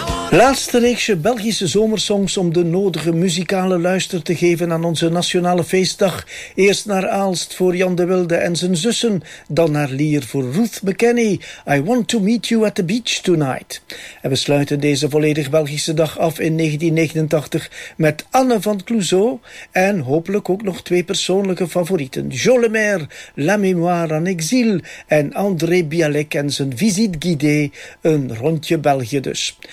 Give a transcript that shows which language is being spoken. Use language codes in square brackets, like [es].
[nl] Laatste reeksje Belgische zomersongs om de nodige muzikale luister te geven aan onze nationale feestdag. Eerst naar Aalst voor Jan de Wilde en zijn zussen, dan naar Lier voor Ruth McKenney. [en] I want to meet you at the beach tonight. [nl] En we sluiten deze volledig Belgische dag af in 1989 met Anne van Clouseau en hopelijk ook nog twee persoonlijke favorieten. Jean Lemaire, La Mémoire en Exil en André Bialik en zijn visite guidée, een rondje België dus.